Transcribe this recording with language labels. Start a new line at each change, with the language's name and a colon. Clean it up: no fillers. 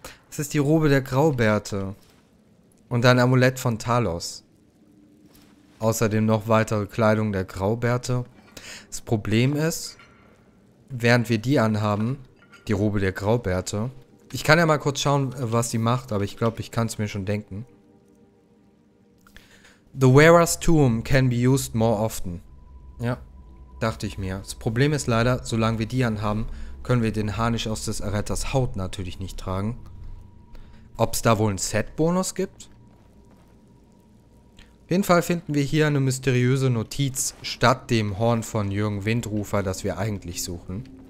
German: Es ist die Robe der Graubärte. Und ein Amulett von Talos. Außerdem noch weitere Kleidung der Graubärte. Das Problem ist, während wir die anhaben, die Robe der Graubärte. Ich kann ja mal kurz schauen, was sie macht, aber ich glaube, ich kann es mir schon denken.
English: The Wearer's Tomb can be used more often.
German: Ja, dachte ich mir. Das Problem ist leider, solange wir die anhaben, können wir den Harnisch aus des Erretters Haut natürlich nicht tragen. Ob es da wohl einen Set-Bonus gibt? Auf jeden Fall finden wir hier eine mysteriöse Notiz statt dem Horn von Jürgen Windrufer, das wir eigentlich suchen.